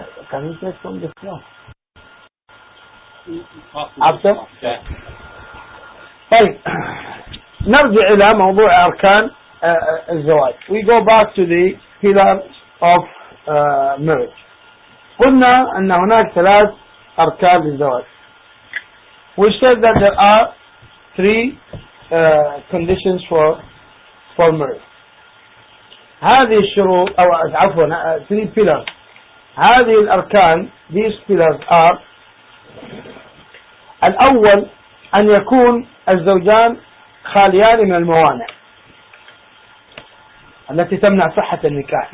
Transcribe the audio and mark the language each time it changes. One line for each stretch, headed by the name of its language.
English: Can you take from the floor? After? Yeah.
Arabic: طيب. نرجع إلى موضوع أركان الزواج.
English: We go back to the pillars of marriage.
Arabic: قلنا أن هناك ثلاث أركان للزواج.
English: We said that there are three conditions for marriage.
Arabic: هذه الشروط أو عفوا
English: three pillars.
Arabic: هذه الأركان
English: these pillars are.
Arabic: الأول أن يكون الزوجان خاليان من الموانع التي تمنع صحة النكاح.